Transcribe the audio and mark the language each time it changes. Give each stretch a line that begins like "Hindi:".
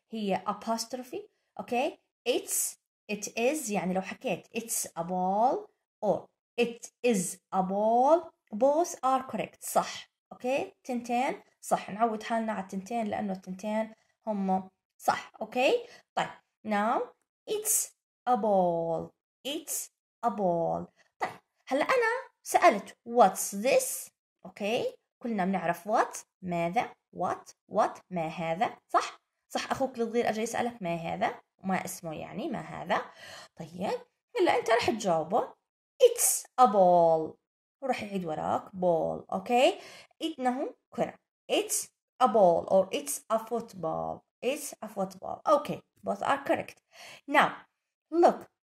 English: هي apostrophe. Okay, it's, it is,
Arabic: يعني لو حكيت
English: it's a ball or it is a ball, both are correct, صح.
Arabic: Okay, تنتين, صح, نعود حالنا على التنتين لأنه التنتين هم صح.
English: Okay, طيب, now, it's a ball, it's a ball.
Arabic: طيب, هلا أنا سألت
English: what's this,
Arabic: okay, كلنا بنعرف what, ماذا, what, ما هذا, صح, صح, أخوك الصغير أجي يسألك ما هذا. ما اسمه يعني ما هذا طيب هلا انت رح تجاوبه
English: it's a ball ورح يعيد وراك ball okay
Arabic: انه كرة
English: it's a ball or it's a football it's a football okay both are correct now look